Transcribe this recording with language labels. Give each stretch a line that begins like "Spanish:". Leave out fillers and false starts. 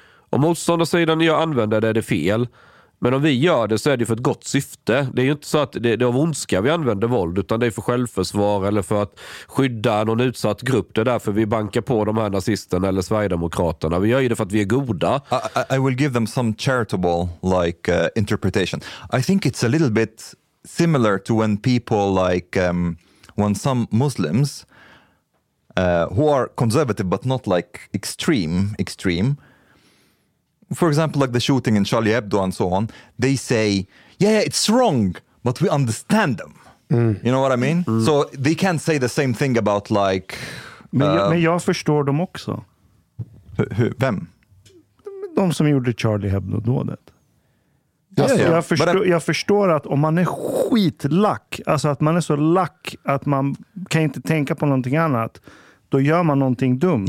Swedish: Och motståndarsidan när jag använder det är det fel. Men om vi gör det så är det för ett gott syfte. Det är ju inte så att det är av ondska vi använder våld, utan det är för självförsvar eller för att skydda någon utsatt grupp. Det är därför vi bankar på de här nazisterna eller Sverigedemokraterna. Vi gör ju det för att vi är goda.
English: I will give them some charitable like interpretation. I think it's a little bit similar to when people like when some Muslims who are conservative but not like extreme, for example, like the shooting in Charlie Hebdo and so on, they say, yeah, it's wrong, but we understand them. Mm. You know what I mean? Mm. So they can't say the same thing about like...
Swedish: Men jag förstår dem också. Vem? De som gjorde Charlie Hebdo-dådet. Jag förstår att om man är skitlack, alltså att man är så lack att man kan inte tänka på någonting annat, då gör man någonting dumt.